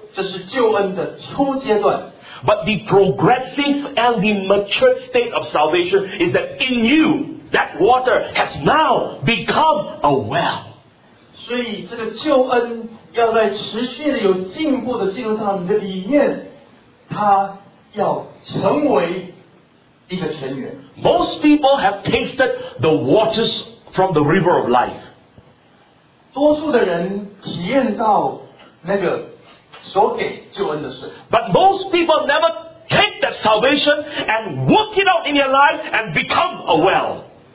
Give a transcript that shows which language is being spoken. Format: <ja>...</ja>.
<zh>所以给你水喝，这是救恩的初阶段。</zh> <en>But the progressive and the mature stage of salvation is that in you, that water has now become a well.</en> <zh>所以这个救恩要在持续的有进步的进入到你的里面，它要成为一个泉源。</zh> <en>Most people have tasted the waters from the river of life.</en> <zh>多数的人体验到那个所给救恩的水。</zh> <en>But most people never take that salvation and work it out in their life and become a well.</en>